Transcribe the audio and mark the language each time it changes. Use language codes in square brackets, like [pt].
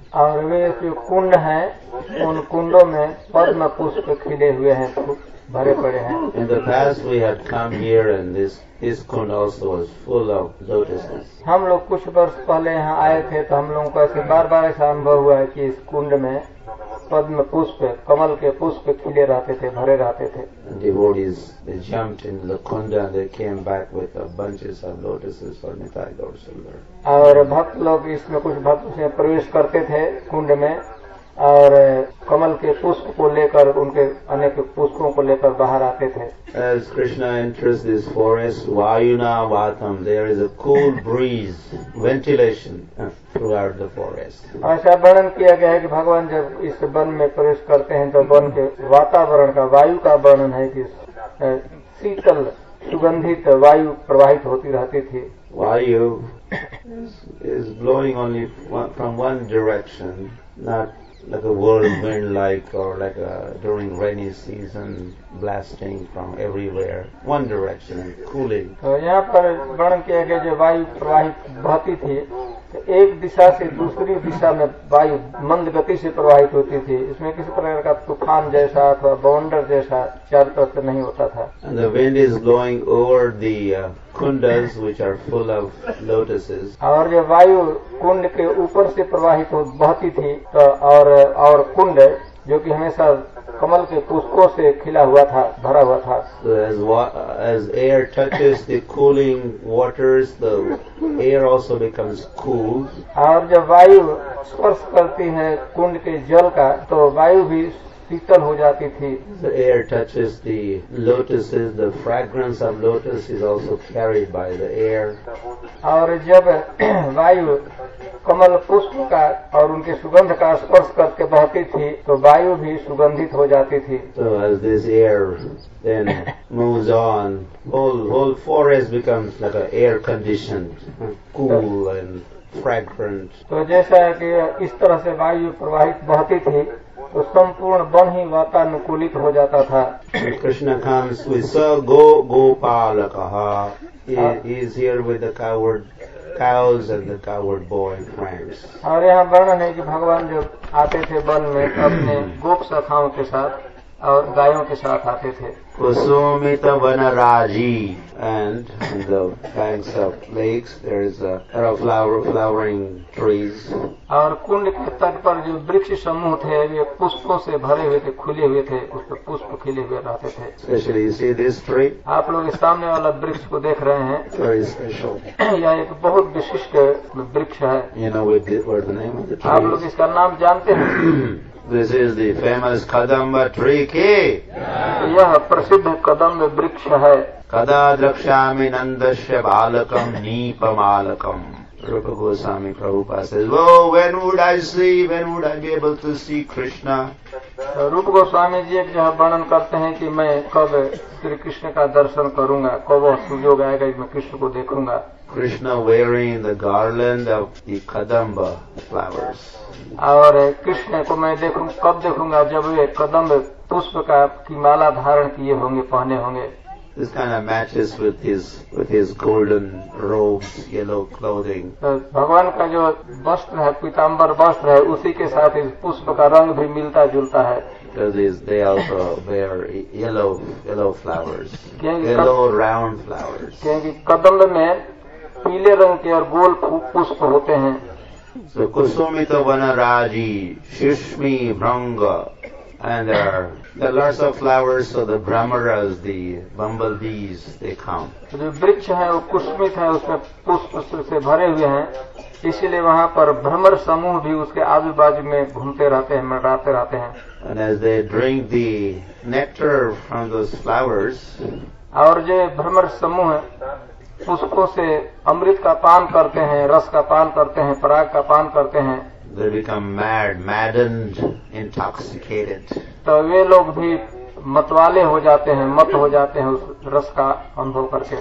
[hi] और वे जो कुंड है उन कुंडों में पद्म पुष्प खिले हुए हैं, भरे पड़े हैं. [en] In the past we had come here and this kund also was full of lotuses. [hi] हम लोग कुछ वर्ष पहले यहाँ आए थे तो हम लोगों को ऐसे बार बार ऐसा अनुभव हुआ है कि इस कुंड में पद्म पुष्प कमल के पुष्प खिले रहते थे, भरे रहते थे. [en] Devotees they jumped in the kunda and they came back with a bunches of lotuses for Nitai Gaurasundar. [hi] और भक्त लोग इसमें कुछ भक्त से प्रवेश करते थे कुंड में और कमल के पुष्प को लेकर उनके अनेक पुष्पों को लेकर बाहर आते थे. [en] As Krishna enters this forest, Vayuna Vatam, there is a cool breeze, ventilation throughout the forest. [hi] ऐसा वर्णन किया गया है कि भगवान जब इस वन में प्रवेश करते हैं तो वन के वातावरण का वायु का वर्णन है कि शीतल सुगंधित वायु प्रवाहित होती रहती थी. [en] वायु is blowing only from one direction, not like a whirlwind like or like a during rainy season blasting from everywhere, one direction and cooling. [hi] तो यहाँ पर वर्णन किया गया जो वायु प्रवाहित बहती थी तो एक दिशा से दूसरी दिशा में वायु मंद गति से प्रवाहित होती थी, इसमें किसी प्रकार का तूफान जैसा अथवा बाउंडर जैसा चारों तरफ से नहीं होता था. [en] And the wind is blowing over the kundas which are full of lotuses. [hi] और जो वायु कुंड के ऊपर से प्रवाहित बहती थी तो और कुंड जो कि हमेशा कमल के पुष्पों से खिला हुआ था, भरा हुआ था. [en] As air touches the cooling waters, the air also becomes cool. [hi] और जब वायु स्पर्श करती है कुंड के जल का, तो वायु भी शीतल हो जाती थी. [en] The air touches the lotuses, the fragrance of lotus is also carried by the air. [hi] और जब वायु कमल पुष्प का और उनके सुगंध का स्पर्श करके बहती थी, तो वायु भी सुगंधित हो जाती थी. [en] So as this air then moves on, whole forest becomes like an air conditioned, cool and fragrant. [hi] तो जैसा कि इस तरह से वायु प्रवाहित बहती थी, तो संपूर्ण वन ही वातानुकूलित हो जाता था. [en] Krishna comes with [sa] स गो गोपाल कहा. [en] He is here with the coward cows and the coward boy friends. [hi] और यहाँ वर्णन है कि भगवान जब आते थे वन में अपने गोप सखाओं के साथ और गायों के साथ आते थे. [sa] कुसुमित वन राजी [en] And the banks of lakes there is a flowering trees. [hi] और कुंड के तट पर जो वृक्ष समूह थे, ये पुष्पों से भरे हुए थे, खुले हुए थे, उस पर पुष्प खिले हुए रहते थे. [en] specially you see this tree, [hi] आप लोग इस सामने वाला वृक्ष को देख रहे हैं. [en] very special, [hi] यह एक बहुत विशिष्ट वृक्ष है. [en] you know what the name of the tree, [hi] आप लोग इसका नाम जानते हैं. [en] This is the famous Kadamba tree. K. [hi] यह प्रसिद्ध कदम्ब वृक्ष है. [sa] कदा द्रक्ष्यामि नन्दस्य बालकम् नीपमालकम्. [en] Rupa Goswami Prabhupada says, "Oh, when would I see? When would I be able to see Krishna?" [hi] रूप गोस्वामी जी एक जहाँ वर्णन करते हैं कि मैं कब श्री कृष्ण का दर्शन करूंगा, कब वह सुयोग आएगा कि मैं कृष्ण को देखूंगा. [en] Krishna wearing the garland of the Kadamba flowers. [hi] और कृष्ण को मैं देखूं, कब देखूंगा, जब वे कदम्ब पुष्प का की माला धारण किए होंगे, पहने होंगे. [en] This kind of matches with his golden robes, yellow clothing. [hi] भगवान का जो वस्त्र है, पीताम्बर वस्त्र है, उसी के साथ इस पुष्प का रंग भी मिलता जुलता है. [en] Because they also wear yellow flowers, yellow round flowers. [hi] क्योंकि कदम्ब में पीले रंग के और गोल पुष्प होते हैं. [en] So [sa] कुसुमित वन राजी शुष्मी भ्रंग [en] and there are lots of flowers, so the brahmaras, the bumblebees, they come. [hi] जो वृक्ष है वो कुष्मित है, उसमें पुष्प से भरे हुए हैं, इसीलिए वहाँ पर भ्रमर समूह भी उसके आजू बाजू में घूमते रहते हैं, मंडराते रहते हैं. [en] And as they drink the nectar from those flowers, [hi] और जो भ्रमर समूह है पुष्पों से अमृत का पान करते हैं, रस का पान करते हैं, पराग का पान करते हैं. [en] They become mad, maddened, intoxicated. [hi] तो वे लोग भी मतवाले हो जाते हैं, मत हो जाते हैं उस रस का अनुभव करके.